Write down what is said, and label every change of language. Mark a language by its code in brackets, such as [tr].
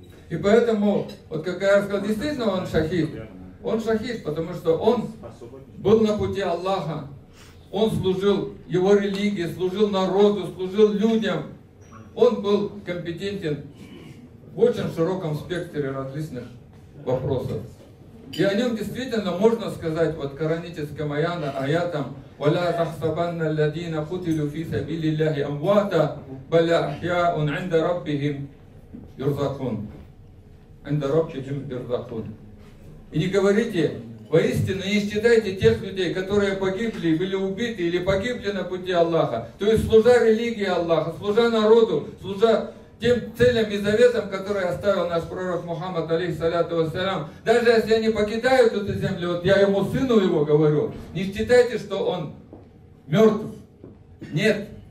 [ru] И поэтому, вот как я сказал, действительно он шахид. Он шахид, потому что он был на пути Аллаха. Он служил его религии, служил народу, служил людям. Он был компетентен в очень широком спектре различных вопросов. И о нем действительно можно сказать, вот кораническим аятом, [ar] وَلَا تَحْسَبَنَّ الَّذِينَ قُتِلُوا فِي سَبِيلِ اللَّهِ أَمْوَاتًا بَلْ أَحْيَاءٌ عِنْدَ رَبِّهِمْ يُرْزَقُونَ عِنْدَ رَبِّهِمْ يُرْزَقُونَ. [ru] И не говорите, воистину не считайте тех людей, которые погибли, были убиты или погибли на пути Аллаха, то есть служа религии Аллаха, служа народу, служа тем целям и заветам, которые оставил наш пророк Мухаммад, алейхиссаляту вассалям. Даже если они покидают эту землю, вот я ему, сыну его говорю, не считайте, что он мертв. Нет.